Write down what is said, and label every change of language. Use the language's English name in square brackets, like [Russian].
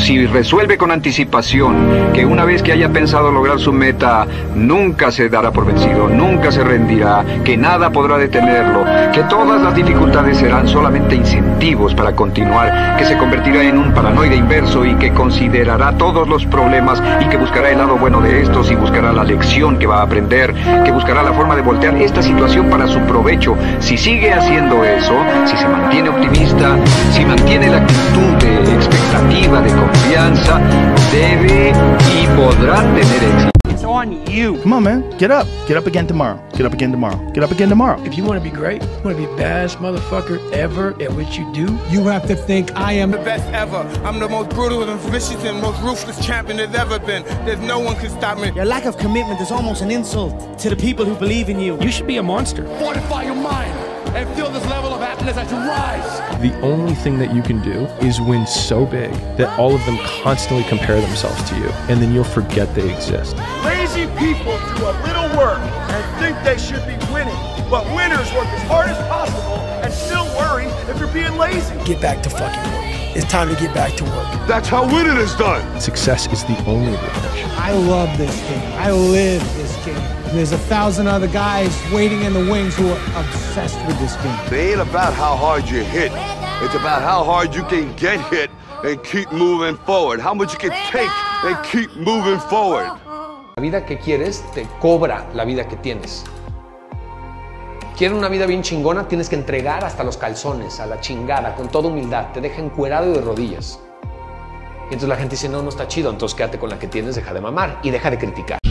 [Spanish] Si resuelve con anticipación que una vez que haya pensado lograr su meta, nunca se dará por vencido, nunca se rendirá, que nada podrá detenerlo, que todas las dificultades serán solamente incentivos para continuar, que se convertirá en un paranoide inverso y que considerará todos los problemas y que buscará el lado bueno de estos y buscará la lección que va a aprender, que buscará la forma de voltear esta situación para su provecho. Si sigue haciendo eso, si se mantiene optimista, si mantiene la actitud de expectativa, de confianza, debe y podrá tener éxito. [English] It's on you. Come on, man. Get up. Get up again tomorrow. Get up again tomorrow. Get up again tomorrow. If you want to be great, you want to be the best motherfucker ever at what you do, you have to think I am the best ever. I'm the most brutal and vicious and most ruthless champion there's ever been. There's no one can stop me. Your lack of commitment is almost an insult to the people who believe in you. You should be a monster. Fortify your mind. And feel this level of happiness as you rise. The only thing that you can do is win so big that all of them constantly compare themselves to you, and then you'll forget they exist. Lazy people do a little work and think they should be winning, but winners work as hard as possible and still worry if you're being lazy. Get back to fucking work. It's time to get back to work. That's how winning is done. Success is the only way. I love this game. I live this game. There's 1,000 other guys waiting in the wings who are obsessed with this game. It ain't about how hard you hit. It's about how hard you can get hit and keep moving forward. How much you can take and keep moving forward. [Spanish] La vida que quieres te cobra la vida que tienes. Quieres una vida bien chingona, tienes que entregar hasta los calzones, a la chingada, con toda humildad. Te deja encuerado y de rodillas. Y entonces la gente dice, no, no está chido, entonces quédate con la que tienes, deja de mamar y deja de criticar.